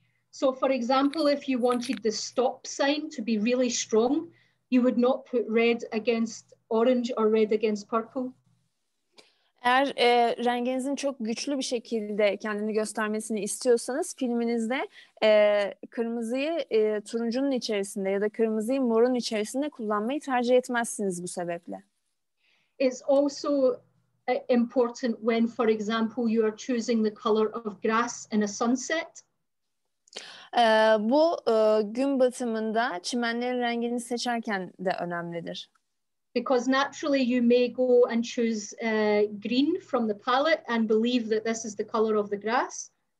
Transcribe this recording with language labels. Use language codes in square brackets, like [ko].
[en] So for example, if you wanted the stop sign to be really strong, you would not put red against orange or red against purple. [tr] Eğer renginizin çok güçlü bir şekilde kendini göstermesini istiyorsanız filminizde kırmızıyı turuncunun içerisinde ya da kırmızıyı morun içerisinde kullanmayı tercih etmezsiniz bu sebeple. [en] It's also important when, for example, you are choosing the color of grass in a sunset. [tr] Bu gün batımında çimenlerin rengini seçerken de önemlidir. [en] Because naturally you may go and choose green from the palette and believe that this is the color of the grass.